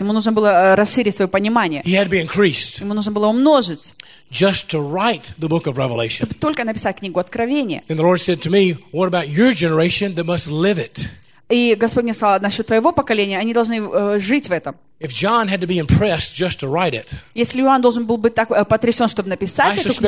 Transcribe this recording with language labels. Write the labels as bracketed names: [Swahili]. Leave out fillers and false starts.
[Russian] Ему нужно было расширить свое понимание. [English] He had to be increased. [Russian] Ему нужно было умножить. [English] Just to write the book of Revelation. [Russian] Только написать книгу Откровения. [English] And the Lord said to me, "What about your generation that must live it?" [Russian] И Господь мне сказал, насчет твоего поколения, они должны жить в этом. [English] If John had to be impressed just to write it, [Russian] если Иоанн должен был быть так потрясен, чтобы написать эту книгу,